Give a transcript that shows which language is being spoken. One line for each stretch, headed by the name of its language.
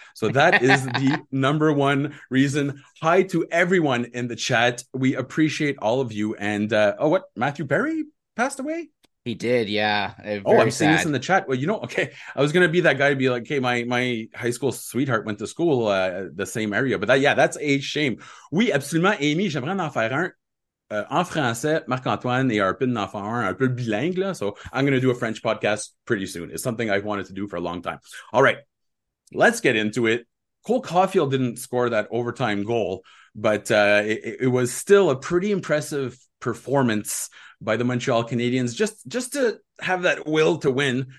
English: So that is the number one reason. Hi to everyone in the chat. We appreciate all of you. And oh, what, Matthew Perry passed away? He did, yeah. Oh, Very I'm seeing this in sad. the chat. Well, you know, okay. I was gonna be that guy and be like, "Hey, my high school sweetheart went to school the same area." But that, yeah, that's a shame.
French: Oui, absolument, Amy. J'aimerais en faire un en français. Marc-Antoine et Arpin en faire un peu bilingue, là.
English: So I'm gonna do a French podcast pretty soon. It's something I've wanted to do for a long time. All right, let's get into it. Cole Caufield didn't score that overtime goal, but it was still a pretty impressive performance by the Montreal Canadiens, just to have that will to win.